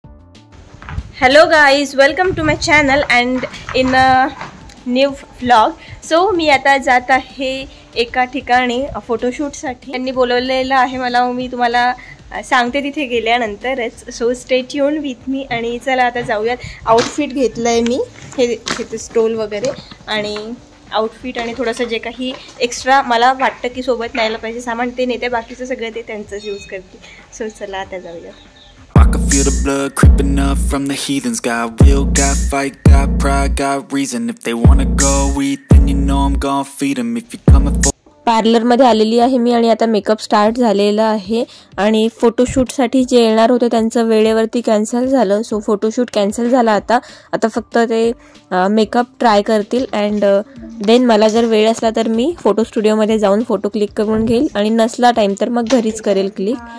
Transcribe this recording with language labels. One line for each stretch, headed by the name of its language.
English: Hello guys, welcome to my channel and in a new vlog.
Marathi: So मी आता जात आहे एका ठिकाणी फोटोशूटसाठी. त्यांनी बोलवलेलं आहे मला, मी तुम्हाला सांगते तिथे गेल्यानंतरच.
English: so stay tuned with me
Marathi: आणि चला आता जाऊयात. आउटफिट घेतलंय मी, हे स्टोल वगैरे आणि आउटफिट आणि थोडंसं जे काही एक्स्ट्रा मला वाटतं की सोबत न्यायला पाहिजे सामान ते नेते, बाकीचं सगळं ते त्यांचंच यूज करते. सो चला आता जाऊयात.
English: Feel the blood creeping up from the heathens. Got will, got fight, got pride, got reason. If they wanna go eat, then you know I'm gonna feed them. If you come up for...
Marathi: parlour मध्ये आलेली आहे मी आणि आता makeup start झालेला आहे आणि photoshoot साठी जे येणार होते त्यांचं वेळेवरती कॅन्सल झालं. सो फोटोशूट कॅन्सल झाला, आता फक्त ते मेकअप ट्राय करतील अँड देन मला जर वेळ असला तर मी फोटो स्टुडिओमध्ये जाऊन फोटो क्लिक करून घेईल आणि नसला टाइम तर मग घरीच करेल क्लिक.